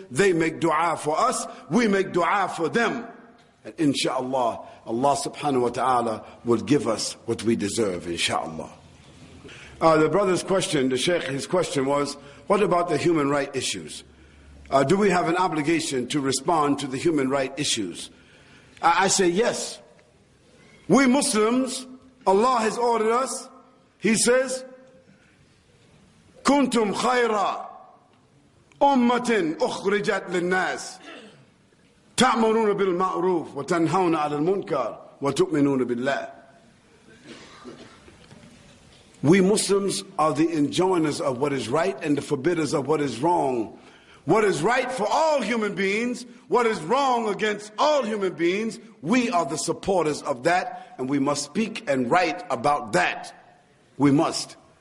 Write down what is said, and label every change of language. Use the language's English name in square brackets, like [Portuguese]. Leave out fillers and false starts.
[English] They make dua for us. We make dua for them. And inshallah, Allah subhanahu wa ta'ala will give us what we deserve, inshallah. The brother's question, the sheikh, his question was, what about the human rights issues? Do we have an obligation to respond to the human rights issues? I say yes. We Muslims, Allah has ordered us, he says, [Arabic] كنتم خيرا أمة أخرجت للناس تأمرون بالمعروف وتنهون عن المنكر وتؤمنون بالله. [English] We Muslims are the enjoiners of what is right and the forbidders of what is wrong. What is right for all human beings, what is wrong against all human beings, we are the supporters of that, and we must speak and write about that. We must.